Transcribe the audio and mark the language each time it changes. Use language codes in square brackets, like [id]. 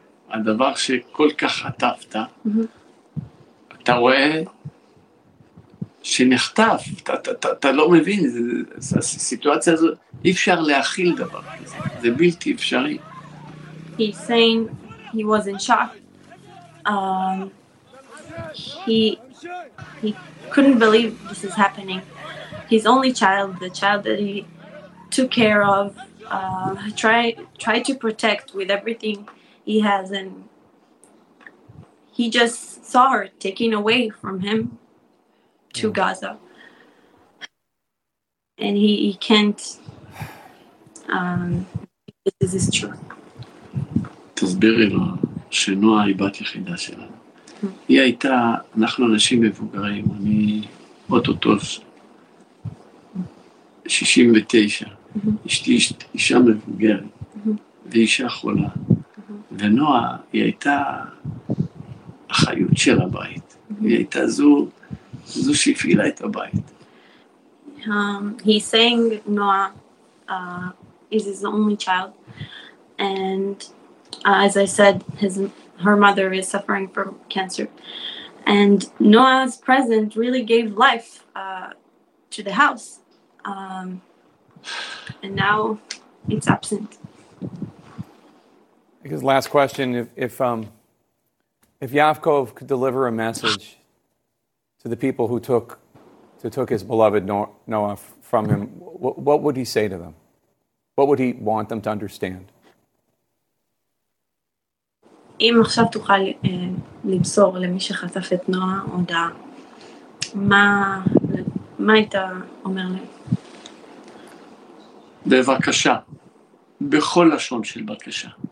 [he] הדבר שכל כך חטפת, mm-hmm. אתה רואה שנחטף, אתה לא מבין, זה, הסיטואציה הזו, אי אפשר להכיל דבר כזה, זה בלתי אפשרי. [en] He's saying he was in shock. He couldn't believe this is happening. His only child, the child that he took care of, tried to protect with everything he has, and he just saw her taken away from him to Gaza, and he can't. This is his truth. [he] תסבירי לו שנועה היא בת יחידה שלנו. היא הייתה, אנחנו אנשים מבוגרים, אני אוטוטו 69, אשתי אישה מבוגרת ואישה חולה. ונועה היא הייתה החיות של הבית. היא הייתה זו שהפעילה את הבית. [en] He's saying Noah is his only child, and as I said, her mother is suffering from cancer, and Noah's presence really gave life to the house, and now it's absent. I guess last question, if Yaakov could deliver a message to the people who took his beloved Noah from him, what would he say to them? What would he want them to understand? [he] אם עכשיו תוכל למסור למי שחטף את נועה הודעה, מה היית אומר להם? בבקשה, בכל לשון של בקשה.